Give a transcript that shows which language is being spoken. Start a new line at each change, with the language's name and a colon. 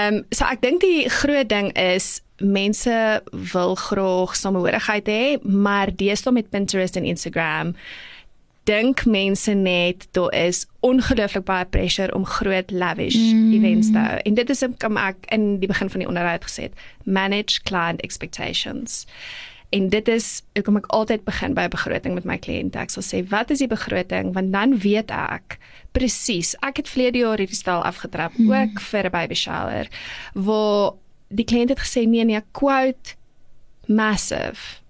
Afrikaans: So ek dink die groot ding is mense wil graag samehorigheid hê, maar deesdae met Pinterest en Instagram dink mense net, daar is ongelooflik baie pressure om groot
English: lavish events
Afrikaans: te hou. En dit is wat ek in die begin van die onderhoud gesê het.
English: Manage client expectations.
Afrikaans: En dit is hoekom ek altyd begin by 'n begroting met my kliënte. Ek sal sê, wat is die begroting? Want dan weet ek, presies, ek het verlede jaar hierdie stel afgetrap, ook vir 'n baby shower, waar die kliënt het gesê, nee,
English: quote, massive.